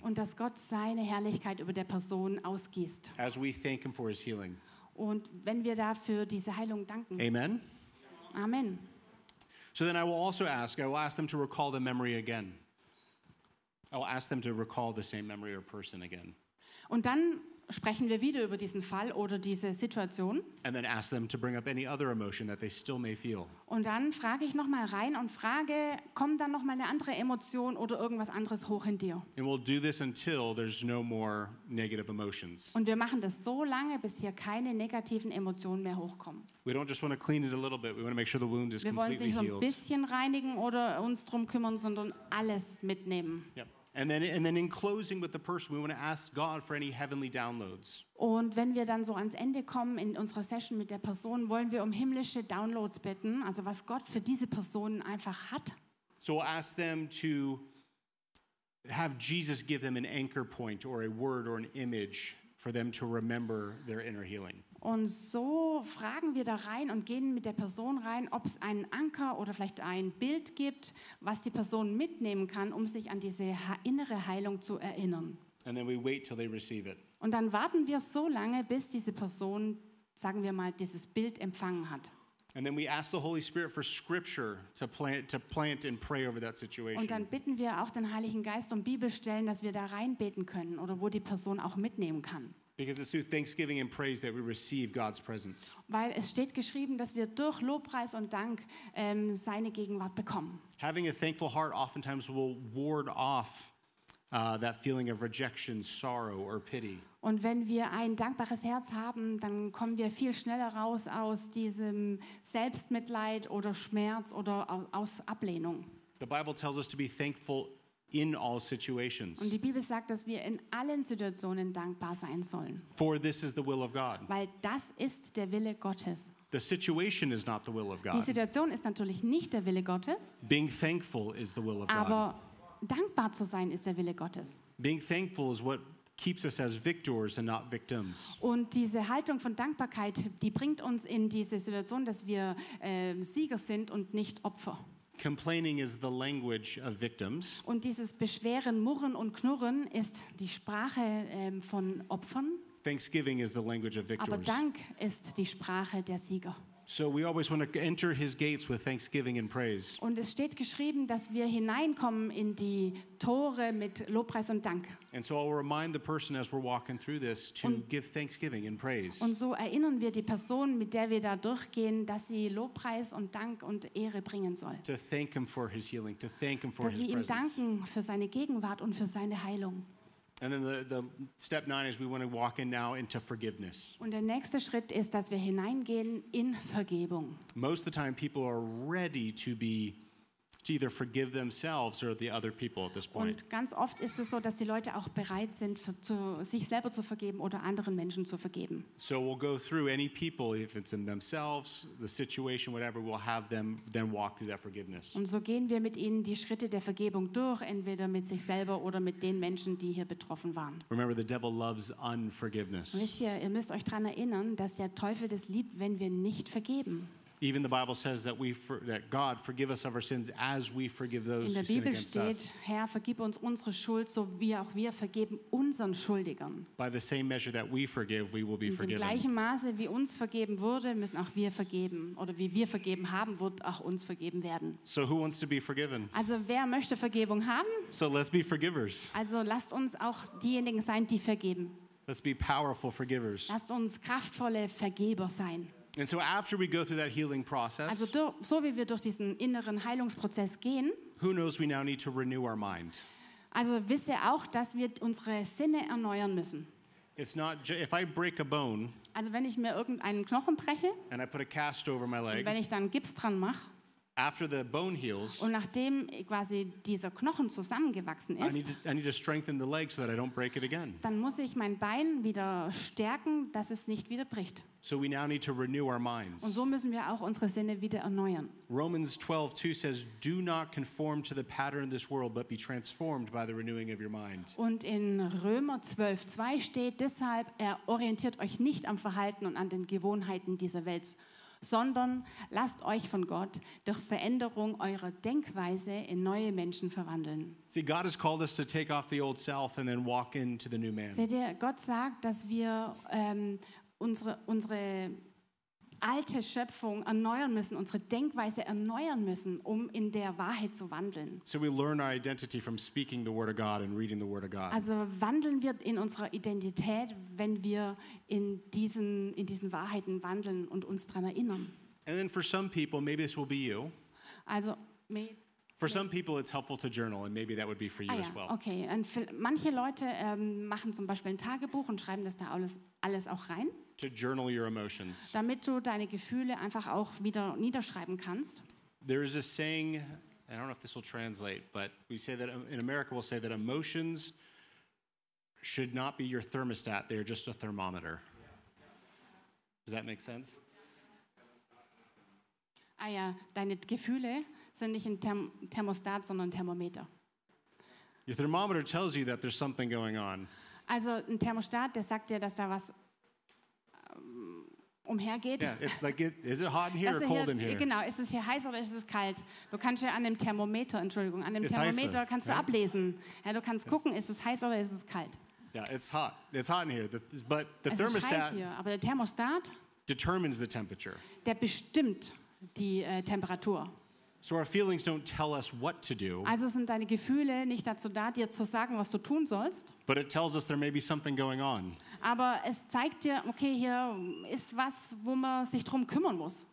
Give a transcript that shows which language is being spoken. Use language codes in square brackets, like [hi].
[de] Und dass Gott seine Herrlichkeit über der Person ausgießt. [en] As we thank Him for His healing. [de] Und wenn wir dafür diese Heilung danken. Amen. Amen. [en] So then I will ask them to recall the memory again. I will ask them to recall the same memory or person again. [de] Und dann sprechen wir wieder über diesen Fall oder diese Situation. [en] And then ask them to bring up any other emotion that they still may feel. [de] Und dann frage ich noch mal rein und frage, kommt dann noch mal eine andere Emotion oder irgendwas anderes hoch in dir? [en] And we'll do this until there's no more negative emotions. [de] Und wir machen das so lange, bis hier keine negativen Emotionen mehr hochkommen. [en] We don't just want to clean it a little bit. We want to make sure the wound is completely healed. [de] Wir wollen sich ein bisschen reinigen oder uns drum kümmern, sondern alles mitnehmen. [en] Yep. And then in closing with the person, we want to ask God for any heavenly downloads. [de] Und wenn wir dann so ans Ende kommen in unserer Session mit der Person, wollen wir um himmlische Downloads bitten, also was Gott für diese Person einfach hat. [en] So we'll ask them to have Jesus give them an anchor point or a word or an image for them to remember their inner healing. [de] Und so fragen wir da rein und gehen mit der Person rein, ob es einen Anker oder vielleicht ein Bild gibt, was die Person mitnehmen kann, um sich an diese innere Heilung zu erinnern. [en] And then we wait till they receive it. [de] Und dann warten wir so lange, bis diese Person, sagen wir mal, dieses Bild empfangen hat. [en] And then we ask the Holy Spirit for scripture to plant and pray over that situation. [de] Und dann bitten wir auch den Heiligen Geist um Bibelstellen, dass wir da reinbeten können oder wo die Person auch mitnehmen kann. [en] Because it's through thanksgiving and praise that we receive God's presence. [de] Weil es steht geschrieben, dass wir durch Lobpreis und Dank seine Gegenwart bekommen. [en] Having a thankful heart oftentimes will ward off that feeling of rejection, sorrow or pity. [de] Und wenn wir ein dankbares Herz haben, dann kommen wir viel schneller raus aus diesem Selbstmitleid oder Schmerz oder aus Ablehnung. [en] The Bible tells us to be thankful in all situations. [de] Und die Bibel sagt, dass wir in allen Situationen dankbar sein sollen. [en] For this is the will of God. [de] Weil das ist der Wille Gottes. [en] The situation is not the will of God. [de] Die Situation ist natürlich nicht der Wille Gottes. [en] Being thankful is the will of God. [de] Aber dankbar zu sein ist der Wille Gottes. [en] Being thankful is what keeps us as victors and not victims. [de] Und diese Haltung von Dankbarkeit, die bringt uns in diese Situation, dass wir Sieger sind und nicht Opfer. [en] Complaining is the language of victims. [de] Und dieses Beschweren, Murren und Knurren ist die Sprache von Opfern. [en] Thanksgiving is the language of victors. [de] Aber Dank ist die Sprache der Sieger. [en] So we always want to enter his gates with thanksgiving and praise. [de] Und es steht geschrieben, dass wir hineinkommen in die Tore mit Lobpreis und Dank. [en] And so I'll remind the person as we're walking through this to give thanksgiving and praise. [de] Und so erinnern wir die Person, mit der wir da durchgehen, dass sie Lobpreis und Dank und Ehre bringen soll. [en] To thank him for his healing, to thank him for his presence. [de] Dass sie ihm danken für seine Gegenwart und für seine Heilung. [en] And then the step 9 is we want to walk in now into forgiveness. [de] Und der nächste Schritt ist, dass wir hineingehen in Vergebung. [en] Most of the time people are ready to be to either forgive themselves or the other people at this point. [de] Und ganz oft ist es so, dass die Leute auch bereit sind, sich selber zu vergeben oder anderen Menschen zu vergeben. [en] So we'll go through any people, if it's in themselves, the situation, whatever, we'll have them then walk through that forgiveness. [de] Und so gehen wir mit ihnen die Schritte der Vergebung durch, entweder mit sich selber oder mit den Menschen, die hier betroffen waren. [en] Remember, the devil loves unforgiveness. [de] Wisst ihr, ihr müsst euch daran erinnern, dass der Teufel das liebt, wenn wir nicht vergeben. [en] Even the Bible says that that God forgive us of our sins as we forgive those who sin against us. [de] In der Bibel steht, Herr, vergib uns unsere Schuld, so wie auch wir vergeben unseren Schuldigern. [en] By the same measure that we forgive, we will be forgiven. [de] In dem gleichen Maße, wie uns vergeben wurde, müssen auch wir vergeben, oder wie wir vergeben haben, wird auch uns vergeben werden. [en] So who wants to be forgiven? [de] Also wer möchte Vergebung haben? [en] So let's be forgivers. [de] Also lasst uns auch diejenigen sein, die vergeben. [en] Let's be powerful forgivers. [de] Lasst uns kraftvolle Vergeber sein. [en] And so after we go through that healing process, [de] also so wie wir durch diesen inneren Heilungsprozess gehen, [en] who knows, we now need to renew our mind. [de] Also wisse auch, dass wir unsere Sinne erneuern müssen. [en] It's not if I break a bone, [de] also wenn ich mir irgendeinen Knochen breche, [en] and I put a cast over my leg, [de] und wenn ich dann Gips dran mache, [en] after the bone heals, [de] und nachdem quasi dieser Knochen zusammengewachsen ist, [en] I need to strengthen the leg so that I don't break it again. [de] Dann muss ich mein Bein wieder stärken, dass es nicht wieder bricht. [en] So we now need to renew our minds. [de] Und so müssen wir auch unsere Sinne wieder erneuern. [en] Romans 12:2 says, "Do not conform to the pattern of this world, but be transformed by the renewing of your mind." [de] Und in Römer 12:2 steht deshalb, er orientiert euch nicht am Verhalten und an den Gewohnheiten dieser Welt, sondern lasst euch von Gott durch Veränderung eurer Denkweise in neue Menschen verwandeln. [en] See, God has called us to take off the old self and then walk into the new man. [de] Seht ihr, Gott sagt, dass wir unsere alte Schöpfung erneuern müssen, unsere Denkweise erneuern müssen, um in der Wahrheit zu wandeln. [en] So we learn our identity from speaking the word of God and reading the word of God. [de] Also wandeln wir in unserer Identität, wenn wir in diesen Wahrheiten wandeln und uns daran erinnern. [en] And then for some people, maybe this will be you. [de] Also [en] for some people, it's helpful to journal, and maybe that would be for you as well. [de] Okay, und manche Leute machen zum Beispiel ein Tagebuch und schreiben das da alles auch rein. [en] To journal your emotions. [de] Damit du deine Gefühle einfach auch wieder niederschreiben kannst. [en] There is a saying, I don't know if this will translate, but we say that in America, we'll say that emotions should not be your thermostat; they are just a thermometer. Does that make sense? [de] Ah ja, deine Gefühle sind nicht ein Thermostat, sondern ein Thermometer. [en] Your thermometer tells you that there's something going on. [de] Also ein Thermostat, der sagt dir, dass da was umhergeht. [en] Yeah, it's like is it hot in here or cold in here? [de] Genau, ist es hier heiß oder ist es kalt? Du kannst ja an dem Thermometer, Entschuldigung, an dem [en] it's [de] Thermometer heißer, kannst du [en] right? [de] ablesen. Ja, du kannst [en] yes. [de] gucken, ist es heiß oder ist es kalt? [en] Yeah, it's hot. It's hot in here. But the [de] es [en] thermostat [de] ist heiß hier, aber der Thermostat [en] determines the temperature. [de] Der bestimmt die Temperatur. [en] So our feelings don't tell us what to do. [de] Also sind deine Gefühle nicht dazu da, dir zu sagen, was du tun sollst. [en] But it tells us there may be something going on. [de] Aber es zeigt dir, okay, hier ist was, wo man sich drum kümmern muss.